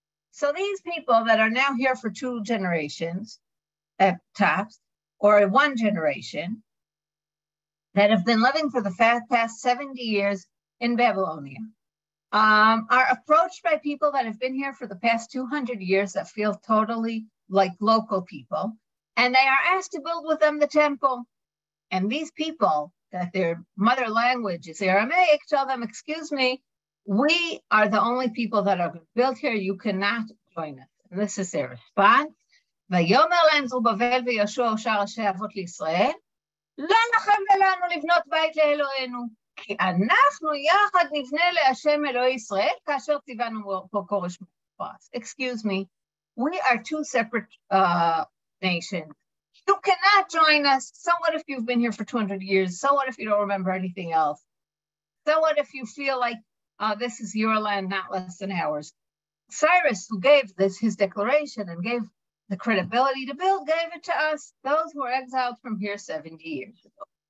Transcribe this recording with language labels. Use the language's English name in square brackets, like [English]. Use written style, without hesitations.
[English] So these people that are now here for two generations, at tops, or one generation, that have been living for the past 70 years in Babylonia, are approached by people that have been here for the past 200 years that feel totally like local people, and they are asked to build with them the temple. And these people, that their mother language is Aramaic, tell them, excuse me, we are the only people that are built here. You cannot join us. And this is their response. [Hebrew] ויאמר להם זרובבל ויהושע ושאר ראשי אבות לישראל, לא לכם ולנו לבנות בית לאלוהינו, כי אנחנו יחד נבנה להשם אלוהי ישראל כאשר ציוונו פה כורש מפרס. [English] Excuse me, we are two separate nations. You cannot join us. So what if you've been here for 200 years? So what if you don't remember anything else? So what if you feel like this is your land, not less than ours? Cyrus, who gave this, his declaration, and gave the credibility to build, gave it to us, those who were exiled from here 70 years ago.